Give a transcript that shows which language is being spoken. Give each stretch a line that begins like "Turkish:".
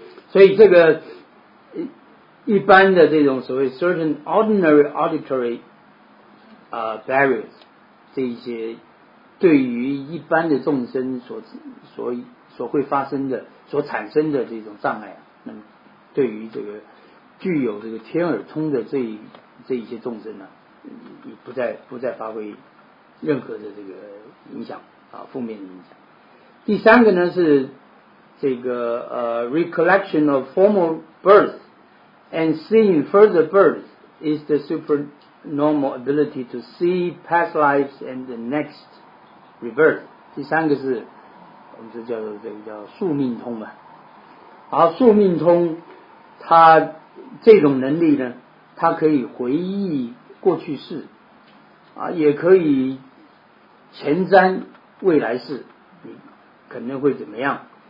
Chinese: 所以这个一般的这种所谓
English: certain ordinary auditory barriers
Chinese: 这一些对于一般的众生所会发生的。所产生的这种障碍啊，那么对于这个具有这个天耳通的这一些众生呢、啊，也不再发挥任何的这个影响啊，负面的影响。第三个呢是这个
English: recollection of former births and seeing further births is the supernormal ability to see past lives and the next rebirth。
Chinese: 第三个是。我们这叫宿命通嘛，而宿命通，它这种能力呢，它可以回忆过去世，啊，也可以前瞻未来世，你可能会怎么样？